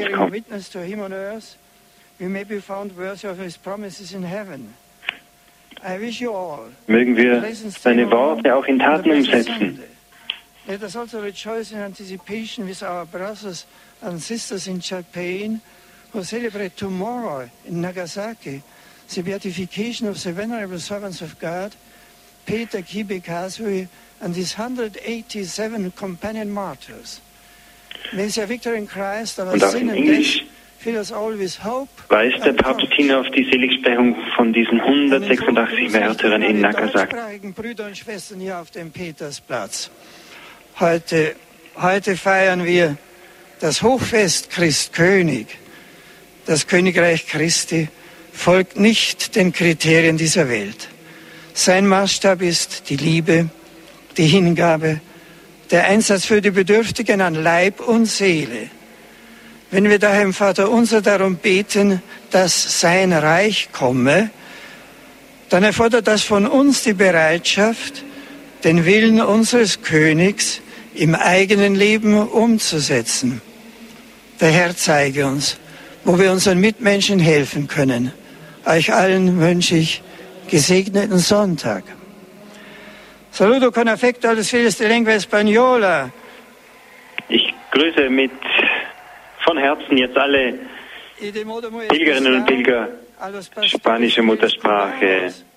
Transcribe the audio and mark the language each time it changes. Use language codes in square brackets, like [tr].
[de] Wir bitten an diesem Christkönigssonntag, dass er als Herr in unser Herz kommt. Mögen wir seine Worte auch in Taten umsetzen. [en] Let us also rejoice in anticipation with our brothers and sisters in Japan, who celebrate tomorrow in Nagasaki the beatification of the venerable servants of God, Peter Kibe Kazui, and his 187 companion martyrs. May their victory in Christ, our sin and death, fill us all with hope. [de] Weist der Papst hin auf die Seligsprechung von diesen 186 Märtyrern in Nagasaki. Deutschsprachigen Brüder und Schwestern hier auf dem Petersplatz. Heute feiern wir Das Hochfest Christ König, das Königreich Christi, folgt nicht den Kriterien dieser Welt. Sein Maßstab ist die Liebe, die Hingabe, der Einsatz für die Bedürftigen an Leib und Seele. Wenn wir daher im Vater unser darum beten, dass sein Reich komme, dann erfordert das von uns die Bereitschaft, den Willen unseres Königs im eigenen Leben umzusetzen. Der Herr zeige uns, wo wir unseren Mitmenschen helfen können. Euch allen wünsche ich gesegneten Sonntag. [es] Saludo [it] con affetto alle fedeli di lingua spagnola. [de] Ich grüße mit von Herzen jetzt alle Pilgerinnen und Pilger spanische Muttersprache.